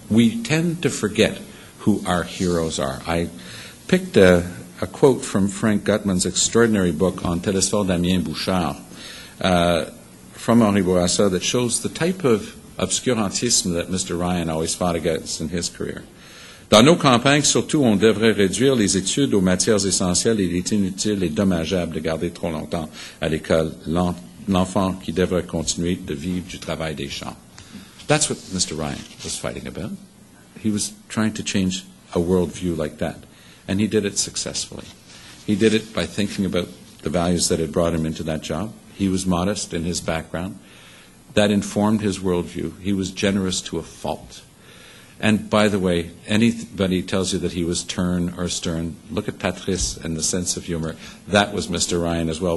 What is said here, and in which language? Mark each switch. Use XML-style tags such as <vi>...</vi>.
<en>We tend to forget who our heroes are. I picked a quote from Frank Gutman's extraordinary book on Télesphore Damien Bouchard from Henri Bourassa that shows the type of obscurantisme that Mr. Ryan always fought against in his career.</en> <fr>Dans nos campagnes, surtout, on devrait réduire les études aux matières essentielles. Il est inutile et dommageable de garder trop longtemps à l'école l'enfant qui devrait continuer de vivre du travail des champs.</fr> <en>That's what Mr. Ryan was fighting about. He was trying to change a worldview like that. And he did it successfully. He did it by thinking about the values that had brought him into that job. He was modest in his background. That informed his worldview. He was generous to a fault. And by the way, anybody tells you that he was terse or stern, look at Patrice and the sense of humor. That was Mr. Ryan as well.</en>